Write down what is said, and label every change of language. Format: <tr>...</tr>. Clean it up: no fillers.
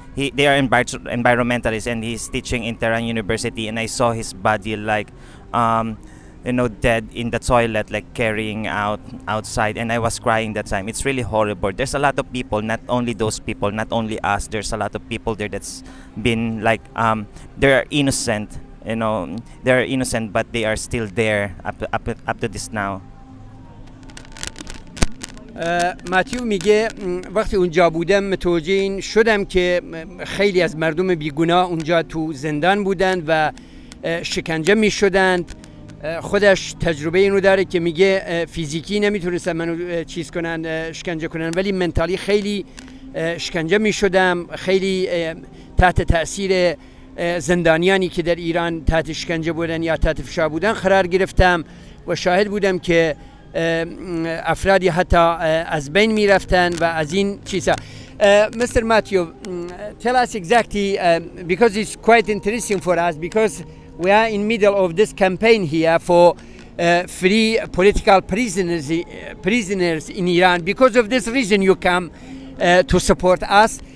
<en>They are environmentalists, and he's teaching in Tehran University, and I saw his body like you know, dead in the toilet, like carrying outside, and I was crying that time. It's really horrible. There's a lot of people, not only those people, not only us. There's a lot of people there that's been like they are innocent, you know, they are innocent, but they are still there up to this now.</en> <fa>ماتیو میگه وقتی اونجا بودم متوجه این شدم که خیلی از مردم بیگناه اونجا تو زندان بودند و شکنجه میشدند. خودش تجربه اینو داره که میگه فیزیکی نمیتونستن منو چیز کنن، شکنجه کنن، ولی منتالی خیلی شکنجه میشدم، خیلی تحت تأثیر زندانیانی که در ایران تحت شکنجه بودن یا تحت فشار بودن قرار گرفتم و شاهد بودم که افرادی حتی از بین میرفتن و از این چیزا.</fa> <en>Mr. Matyov, tell us exactly, because it's quite interesting for us, because we are in middle of this campaign here for free political prisoners in Iran. Because of this reason you come to support us.</en>